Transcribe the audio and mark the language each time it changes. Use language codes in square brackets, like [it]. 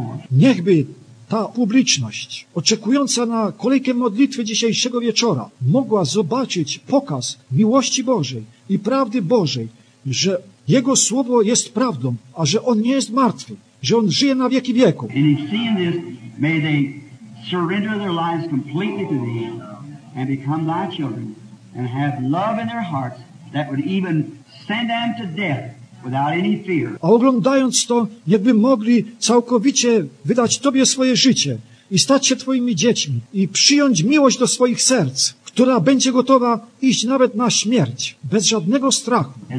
[pl] Niechby ta publiczność, oczekująca na kolejkę modlitwy dzisiejszego wieczora, mogła zobaczyć pokaz miłości Bożej i prawdy Bożej, że Jego Słowo jest prawdą, a że On nie jest martwy, że On żyje na wieki wieków. [en] And in seeing this, may they surrender their lives completely to Thee and become Thy children and have love in their hearts that would even send them to death. [pl] A oglądając to, jakby mogli całkowicie wydać Tobie swoje życie i stać się Twoimi dziećmi i przyjąć miłość do swoich serc, która będzie gotowa iść nawet na śmierć, bez żadnego strachu.